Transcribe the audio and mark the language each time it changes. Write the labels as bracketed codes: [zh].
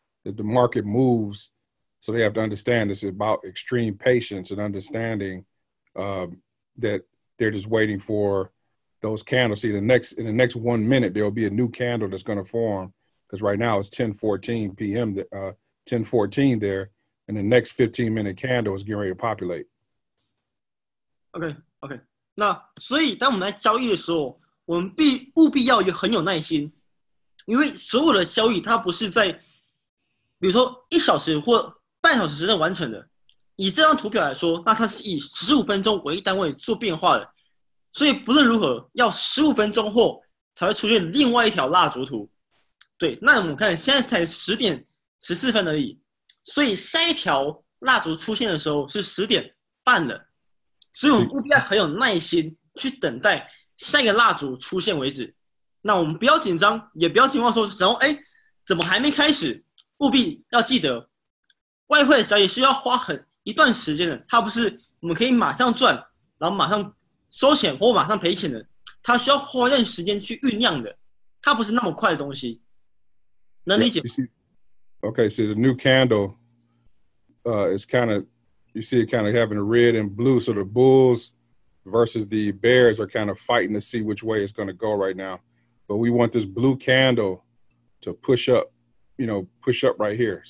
[en] That the market moves, so they have to understand this is about extreme patience and understanding that – they're just waiting for those candles. See, in the next 1 minute, there'll be a new candle that's going to form because right now it's 10:14 p.m., 10:14 there, and the next 15-minute candle is getting ready to populate. Okay. [zh] 那所以当我们来交易的时候，我们务必要有很有耐心，因为所有的交易它不是在，比如说一小时或半小时之内完成的。以这张图表来说，那它是以15分钟为单位做变化的，所以不论如何，要15分钟后才会出现另外一条蜡烛图。对，那我们看现在才10点14分而已，所以下一条蜡烛出现的时候是10点半了，所以我们务必要很有耐心去等待下一个蜡烛出现为止。那我们不要紧张，也不要惊慌说，然后哎，怎么还没开始？务必要记得，外汇的交易是要花很一段时间的，它不是我们可以马上赚，然后马上收钱或马上赔钱的，它需要花一段时间去酝酿的，它不是那么快的东西。能理解 [en] ？Okay, so the new candle, is kind of, you see it kind of having red and blue, so the bulls versus the bears are kind of fighting to see which way it's going to go right now. But we want this blue candle to push up, you know, push up right here.